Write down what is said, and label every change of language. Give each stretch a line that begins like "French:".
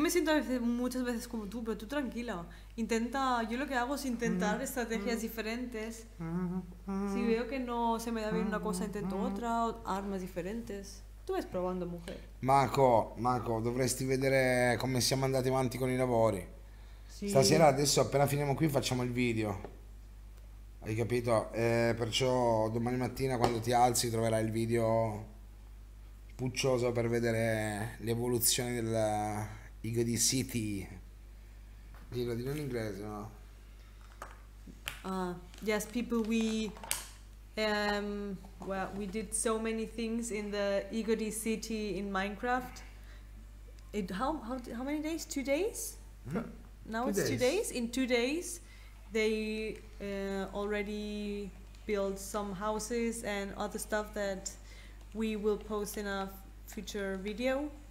Spanish: me siento muchas veces como tú, pero tú tranquila. Intenta, yo lo que hago es intentar estrategias diferentes. Si veo que no se me da bien una cosa, intento otra, o armas diferentes. Tú ves probando, mujer.
Italian: Marco, dovresti vedere come siamo andati avanti con i lavori. Stasera, Sì. adesso, appena finiamo qui, facciamo il video. Hai capito? Perciò, domani mattina, quando ti alzi, troverai il video puccioso per vedere l'evoluzione del Ego di City. Dillo, dillo in inglese,
English: Yes, people, well, we did so many things in the Igori City in Minecraft. How many days? 2 days? no? Now Two it's 2 days. days. In 2 days, they already built some houses and other stuff that we will post in a future video.